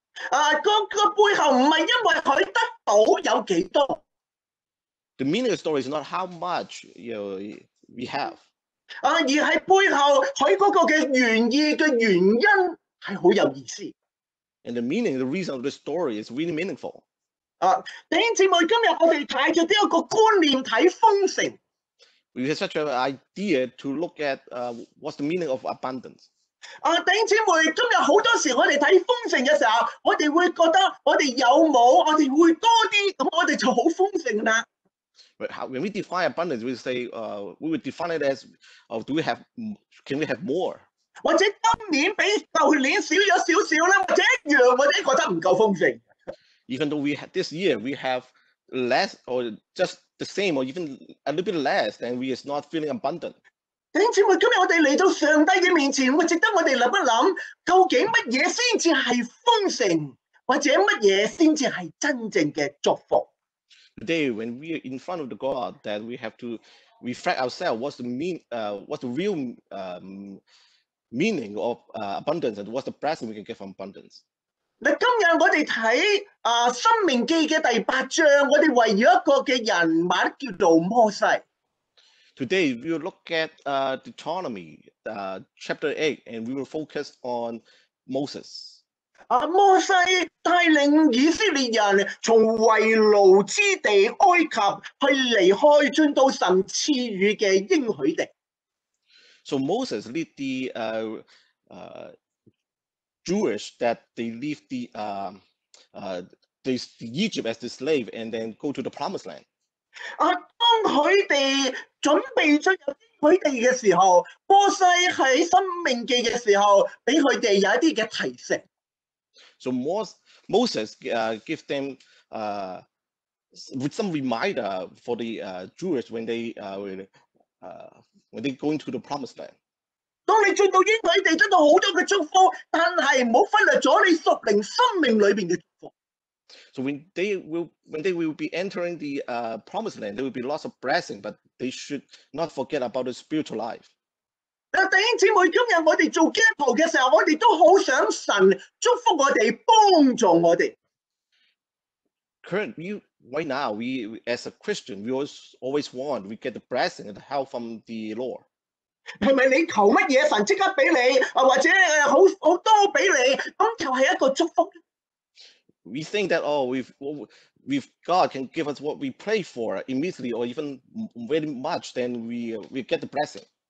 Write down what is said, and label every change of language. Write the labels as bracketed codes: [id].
[yue] 啊，个背后唔系因为佢得到有几多。 [en] The meaning of the story is not how much we have。 [yue] 而喺背后佢嗰个嘅原意嘅原因系好有意思。 [en] And the meaning, the reason of the story is really meaningful. [yue] 啊，弟兄姊妹，今日我哋睇住呢一个观念睇丰盛。 [en] We have such an idea to look at what's the meaning of abundance. [yue] 啊，弟兄姊妹，今日好多时我哋睇丰盛嘅时候，我哋会觉得我哋有冇，我哋会多啲，咁我哋就好丰盛啦。 [en] When we define abundance, we say we would define it as, do we have, can we have more? [yue] 或者今年比舊年少咗少少咧，或者一樣，或者覺得唔夠豐盛。 [en] Even though this year we have less or just the same or even a little bit less, then we is not feeling abundant. [yue] 弟兄姊妹，今日我哋嚟到上帝嘅面前，值得我哋谂一谂，究竟乜嘢先至系豐盛，或者乜嘢先至系真正嘅祝福？ [en] Today, when we are in front of the God, that we have to reflect ourselves. What's the real meaning of abundance, and what's the blessing we can get from abundance? [yue] 嗱，今日我哋睇啊《申命记》嘅第八章，我哋围绕一个嘅人物叫做摩西。 [en] Today, we will look at Deuteronomy, chapter 8, and we will focus on Moses. 啊！ [yue] 摩西带领以色列人从为奴之地埃及去离开，进到神赐予嘅应许地。 [en] So Moses lead the Jewish that they leave the Egypt as the slave and then go to the promised land. [yue] 当佢哋准备进入佢哋嘅时候，波西喺《生命记》嘅时候，俾佢哋有一啲嘅提示。 [en] So Moses give them with some reminder for the Jews when they when they going to the promised land. [yue] 当你进到应许地，得到好多嘅祝福，但系唔好忽略咗你属灵生命里边嘅祝福。 [en] So when they will be entering the promised land, there will be lots of blessing, but they should not forget about the spiritual life. [yue] 弟兄姊妹，今日我哋做基督徒嘅时候，我哋都好想神祝福我哋，帮助我哋。 [en] Current you right now, we as a Christian, we always want we get the blessing and the help from the Lord. [yue] 系咪你求乜嘢神即刻俾你，或者好多俾你，咁就系一个祝福。 [en] We think that if God can give us what we pray for immediately or even very much, then we get the blessing.